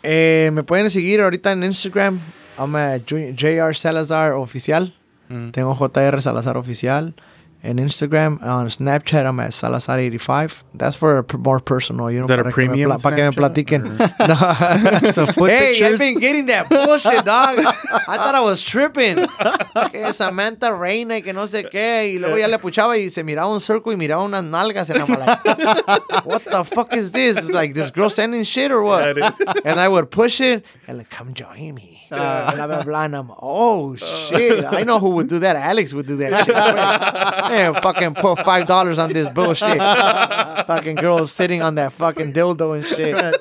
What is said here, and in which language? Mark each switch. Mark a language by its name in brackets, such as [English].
[Spanish] Me pueden seguir ahorita en Instagram. [English] I'm a [Spanish] JR Salazar Oficial. Tengo JR Salazar Oficial. En Instagram, [English] on Snapchat, I'm at Salazar85. That's for more personal. You know, is that a premium Snapchat? [Spanish] Para que me platiquen. [English] So hey, I've been getting that bullshit, dog. I thought I was tripping. [Spanish] Que Samantha Reina y que no sé qué. Y luego ya le puchaba y se miraba un circo y miraba unas nalgas. [English] And I'm like, what the fuck is this? It's like, this girl sending shit or what? And I would push it and like, come join me. Blah, blah, blah. And I'm shit. I know who would do that. Alex would do that shit. Man, fucking put $5 on this bullshit. Fucking girls sitting on that fucking dildo and shit.